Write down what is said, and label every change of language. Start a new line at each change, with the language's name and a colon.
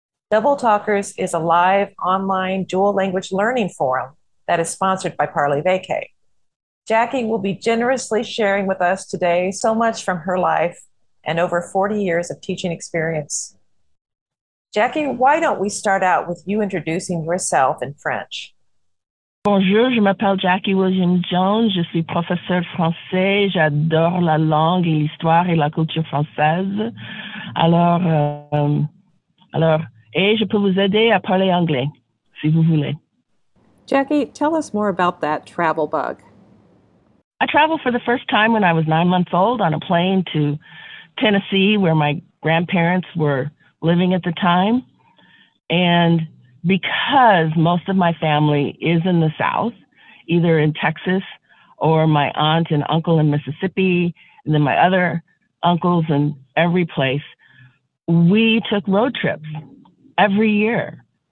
English: Double Talkers is a live online dual language learning forum that is sponsored by Parlay Vacay. Jackie will be generously sharing with us today so much from her life and over 40 years of teaching experience. Jackie, why don't we start out with you introducing yourself in French?
French: Bonjour, je m'appelle Jackie Williams-Jones, je suis professeure français, j'adore la langue et l'histoire et la culture française. Alors, je peux vous aider à parler anglais, si vous voulez.
English: Jackie, tell us more about that travel bug. I traveled for the first time when I was 9 months old on a plane to Tennessee, where my grandparents were living at the time. And because most of my family is in the South, either in Texas or my aunt and uncle in Mississippi, and then my other uncles in every place, we took road trips every year.